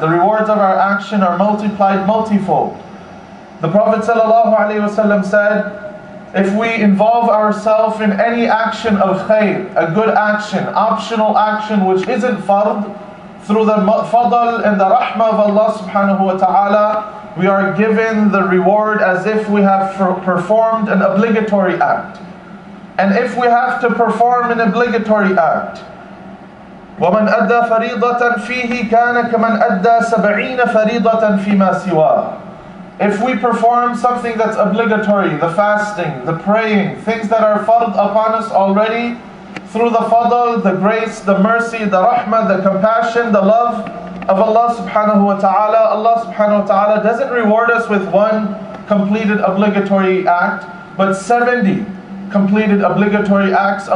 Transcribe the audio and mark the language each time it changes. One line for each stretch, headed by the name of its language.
English: The rewards of our action are multiplied multifold. The Prophet sallallahu alayhi wasallam said, if we involve ourselves in any action of khayr, a good action, optional action which isn't fard, through the fadl and the rahmah of Allah subhanahu wa ta'ala, we are given the reward as if we have performed an obligatory act. And if we have to perform an obligatory act,
Arabic: وَمَنْ أَدَّى فَرِيضَةً فِيهِ كَانَ كَمَنْ أَدَّى سَبْعِينَ فَرِيضَةً فِيمَا سِوَاهُ.
English: If we perform something that's obligatory, the fasting, the praying, things that are fard upon us already, through the fadl, the grace, the mercy, the rahmah, the compassion, the love of Allah subhanahu wa ta'ala, Allah subhanahu wa ta'ala doesn't reward us with one completed obligatory act, but 70 completed obligatory acts.